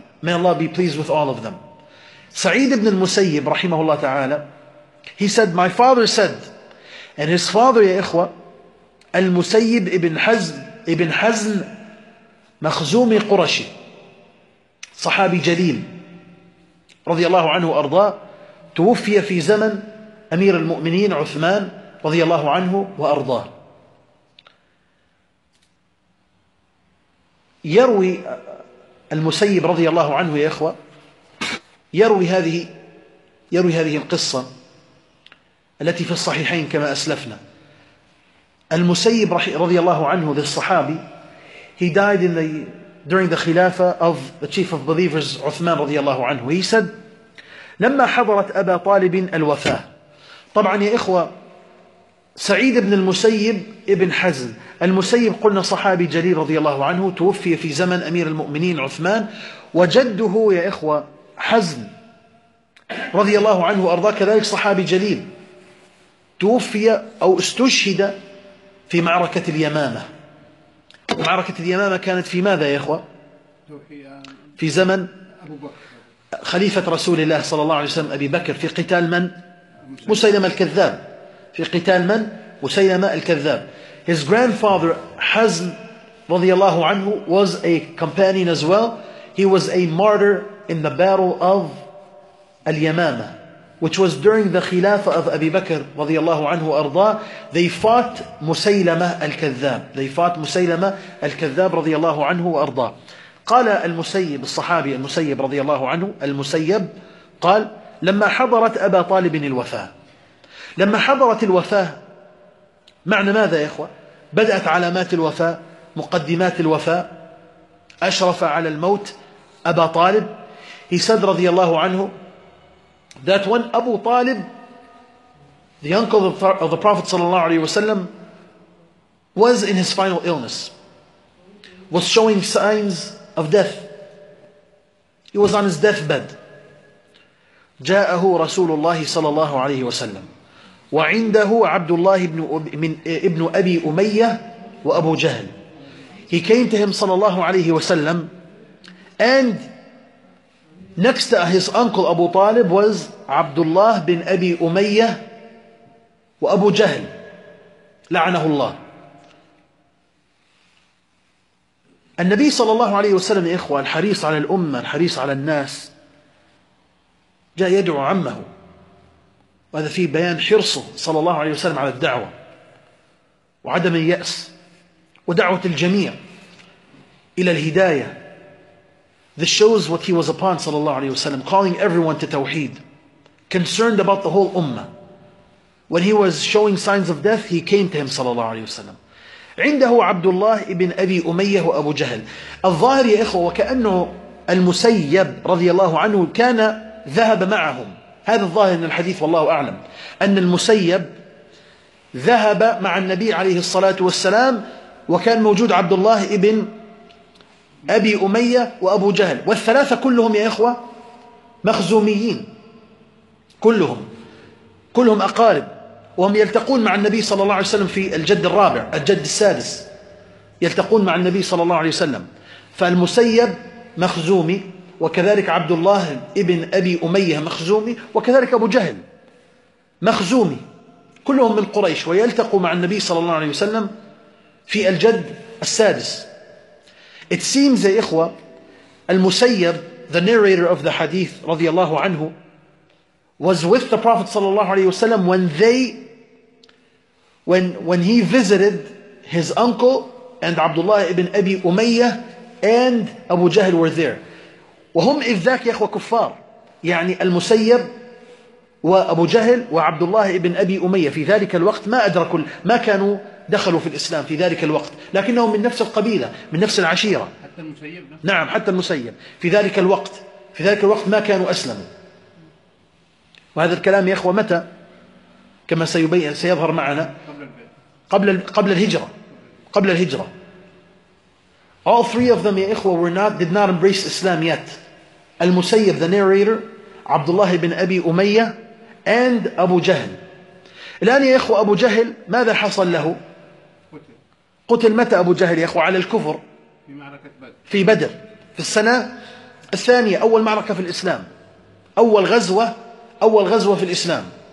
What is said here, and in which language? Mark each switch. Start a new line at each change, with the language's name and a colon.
English: May Allah be pleased with all of them. Sa'id ibn al-Musayyib, rahimahullah ta'ala, he said, my father said, and his father, ya ikhwa, al-Musayyib ibn Hazm, makhzumi Qurashi, sahabi jaleel, radiyallahu anhu arda,
Arabic: توفي في زمن أمير المؤمنين عثمان رضي الله عنه وأرضاه. يروي المسيب رضي الله عنه يا إخوة يروي هذه القصة التي في الصحيحين كما أسلفنا. المسيب رضي الله عنه ذي الصحابي,
English: he died during the Khilafah of the chief of believers
Arabic: عثمان رضي الله عنه.
English: He said
Arabic: لما حضرت أبا طالب الوفاة. طبعا يا إخوة سعيد بن المسيب ابن حزم المسيب قلنا صحابي جليل رضي الله عنه, توفي في زمن أمير المؤمنين عثمان, وجده يا إخوة حزم رضي الله عنه أرضاه كذلك صحابي جليل, توفي أو استشهد في معركة اليمامة. معركة اليمامة كانت في ماذا يا إخوة؟ في زمن أبو بكر خليفة رسول الله صلى الله عليه وسلم أبي بكر, في قتال من؟ مسيلمة الكذاب. في قتال من؟ مسيلمة الكذاب.
English: His grandfather Hazm
Arabic: رضي الله عنه
English: was a companion as well. He was a martyr in the battle of Al-Yamama, which was during the Khilafah of Abi Bakr
Arabic: رضي الله عنه أرضاه.
English: They fought Musaylimah الكذاب. They fought Musaylimah الكذاب
Arabic: رضي الله عنه وأرضاه. قال المسيب الصحابي المسيب رضي الله عنه المسيب قال لما حضرت أبا طالب الوفاة. لما حضرت الوفاة معنى ماذا يا إخوة؟ بدأت علامات الوفاة, مقدمات الوفاة, أشرف على الموت أبا طالب.
English: He said
Arabic: رضي الله عنه
English: that when Abu Talib The uncle of the Prophet sallallahu alayhi wa sallam was in his final illness, was showing signs of death. He was on his deathbed.
Arabic: جاءه رسول الله صلى الله عليه وسلم وعنده عبد الله ابن أبي أمية وأبو جهل.
English: He came to him
Arabic: صلى الله عليه وسلم,
English: and next to his uncle Abu Talib was Abdullah ibn Abi Umayyah وأبو جهل
Arabic: لعنه الله. النبي صلى الله عليه وسلم إخوة الحريص على الأمة الحريص على الناس جاء يدعو عمه, وهذا فيه بيان حرصه صلى الله عليه وسلم على الدعوة وعدم اليأس ودعوة الجميع إلى الهداية.
English: This shows what he was upon
Arabic: صلى الله عليه وسلم,
English: calling everyone to توحيد, concerned about the whole ummah. When he was showing signs of death, he came to him
Arabic: صلى الله عليه وسلم. عنده عبد الله ابن أبي أمية وأبو جهل. الظاهر يا إخوة وكأنه المسيب رضي الله عنه كان ذهب معهم. هذا الظاهر من الحديث والله أعلم, أن المسيب ذهب مع النبي عليه الصلاة والسلام وكان موجود عبد الله ابن أبي أمية وأبو جهل, والثلاثة كلهم يا إخوة مخزوميين, كلهم أقارب, وهم يلتقون مع النبي صلى الله عليه وسلم في الجد الرابع الجد السادس يلتقون مع النبي صلى الله عليه وسلم. فالمسيب مخزومي, وكذلك عبد الله ابن أبي أمية مخزومي, وكذلك أبو جهل مخزومي, كلهم من قريش ويلتقوا مع النبي صلى الله عليه وسلم في الجد السادس.
English: It seems
Arabic: يا إخوة
English: المسيب, the narrator of the hadith
Arabic: رضي الله عنه,
English: was with the Prophet
Arabic: صلى الله عليه وسلم
English: when he visited his uncle and Abdullah ibn Abi Umayyah and Abu Jahl were there.
Arabic: وهم إذ ذاك يا إخوة كفار, يعني المسيب وأبو جهل وعبد الله ابن أبي أمية في ذلك الوقت ما أدركوا, ما كانوا دخلوا في الإسلام في ذلك الوقت, لكنهم من نفس القبيلة من نفس العشيرة. حتى المسيب نفسه. نعم حتى المسيب في ذلك الوقت, في ذلك الوقت ما كانوا أسلموا. وهذا الكلام يا إخوة متى؟ كما سيبين سيظهر معنا قبل الهجرة, قبل الهجرة.
English: All three of them
Arabic: يا إخوة
English: did not embrace Islam yet.
Arabic: المسيب
English: the narrator,
Arabic: عبد الله بن أبي أمية and أبو جهل. الآن يا إخوة أبو جهل ماذا حصل له؟ قتل. متى أبو جهل يا إخوة؟ على الكفر في معركة بدر, في بدر في السنة الثانية, أول معركة في الإسلام, أول غزوة في الإسلام.